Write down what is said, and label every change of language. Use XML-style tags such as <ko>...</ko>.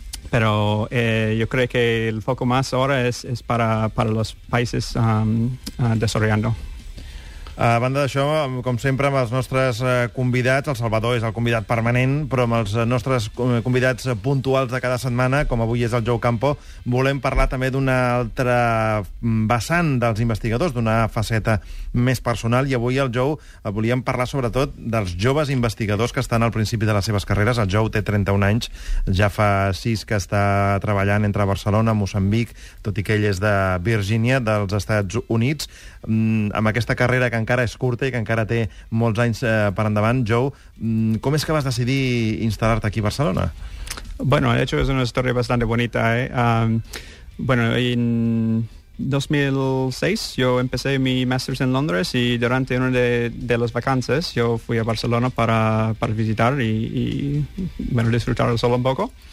<es>Pero yo creo que el foco más ahora es para los países desarrollando.</es> <ca>A banda d'això, com sempre, amb els nostres convidats, el Salvador és el convidat permanent, però amb els nostres convidats puntuals de cada setmana, com avui és el Joe Campo, volem parlar també d'una altra vessant dels investigadors, d'una faceta més personal, i avui el Joe volíem parlar sobretot dels joves investigadors que estan al principi de les seves carreres. El Joe té 31 anys, ja fa 6 que està treballant entre Barcelona, Moçambic, tot i que ell és de Virgínia, dels Estats Units. Amb aquesta carrera que encara és curta i que encara té molts anys per endavant, Joe, com és que vas decidir instal·lar-te aquí a Barcelona?</ca> <es>Bueno, de hecho, es una historia bastante bonita, ¿eh? Bueno, en 2006 yo empecé mi máster en Londres y durante una de las vacaciones yo fui a Barcelona para visitar y bueno, disfrutar el sol un poco.</es>